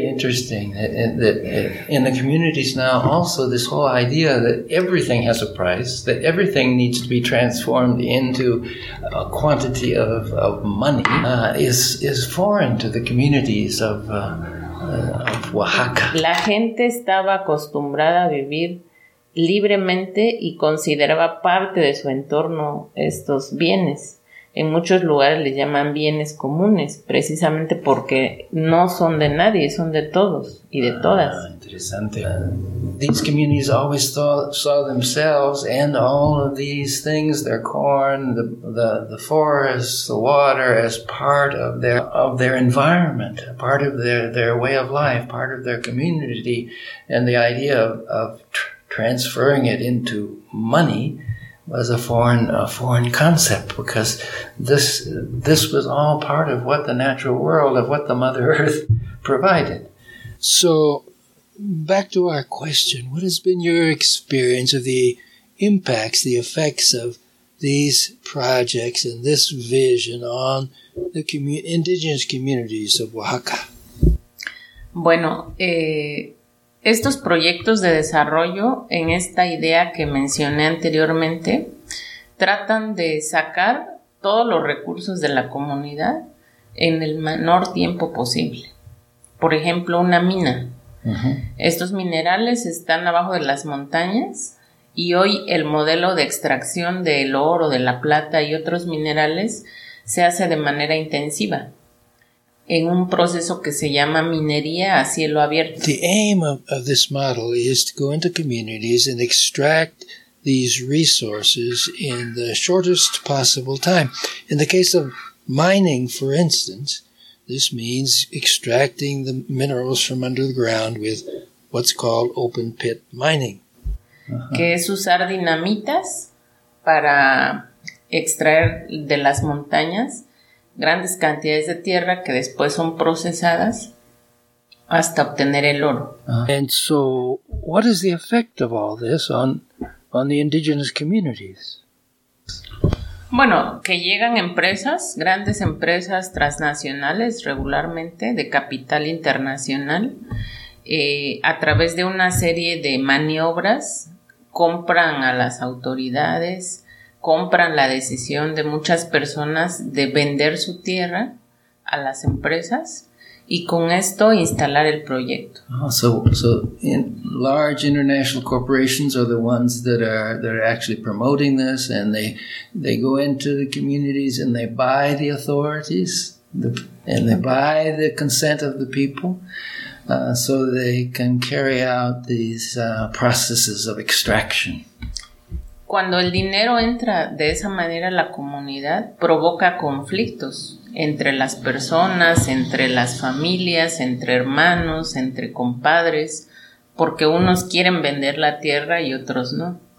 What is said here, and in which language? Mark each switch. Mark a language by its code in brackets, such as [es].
[en] In the communities now, also this whole idea that everything has a price, that everything needs to be transformed into a quantity of money, is foreign to the communities of Oaxaca. [es] La gente estaba acostumbrada a vivir libremente y consideraba parte de su entorno estos bienes. En muchos lugares les llaman bienes comunes, precisamente porque no son de nadie, son de todos y de todas. Interesante. [en] These communities always saw themselves and all of these things, their corn, the forests, the water, as part of their environment, part of their way of life, part of their community, and the idea of transferring it into money was a foreign concept, because this was all part of what the natural world, of what the Mother Earth provided. So, back to our question, what has been your experience of the impacts, the effects of these projects and this vision on the indigenous communities of Oaxaca? [es] Bueno, estos proyectos de desarrollo en esta idea que mencioné anteriormente tratan de sacar todos los recursos de la comunidad en el menor tiempo posible. Por ejemplo, una mina. Estos minerales están abajo de las montañas y hoy el modelo de extracción del oro, de la plata y otros minerales se hace de manera intensiva en un proceso que se llama minería a cielo abierto. [en] The aim of this model is to go into communities and extract these resources in the shortest possible time. In the case of mining, for instance, this means extracting the minerals from under the ground with what's called open pit mining. [es] Que es usar dinamitas para extraer de las montañas grandes cantidades de tierra que después son procesadas hasta obtener el oro. [en] And so, what is the effect of all this on the indigenous communities? [es] Bueno, que llegan empresas, grandes empresas transnacionales regularmente, de capital internacional, a través de una serie de maniobras, compran a las autoridades, compran la decisión de muchas personas de vender su tierra a las empresas y con esto instalar el proyecto. [en] So large international corporations are the ones that are actually promoting this, and they go into the communities and they buy the authorities, and they buy the consent of the people, so they can carry out these processes of extraction. [es] Cuando el dinero entra de esa manera a la comunidad, provoca conflictos entre las personas, entre las familias, entre hermanos, entre compadres, porque unos quieren vender la tierra y otros no.